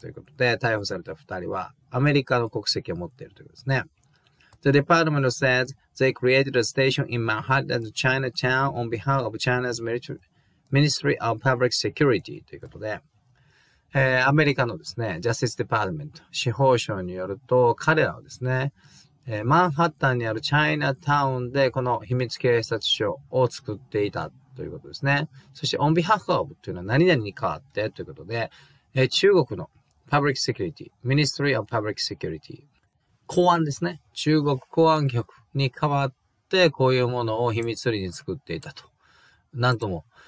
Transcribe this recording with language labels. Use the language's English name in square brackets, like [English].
[Japanese] ということで、逮捕された二人はアメリカの国籍を持っているということですね。 [English] The department says they created a station in Manhattan, Chinatown on behalf of China's Ministry of Public Security. [Japanese] ということで、アメリカのですね、ジャスティスデパートメント、司法省によると、彼らはですね、マンハッタンにあるチャイナタウンで、この秘密警察署を作っていたということですね。そして、 [English] on behalf of [Japanese] というのは何々に代わってということで、中国の [English] public security, ministry of public security, [Japanese] 公安ですね、中国公安局に代わって、こういうものを秘密裏に作っていたと。なんとも、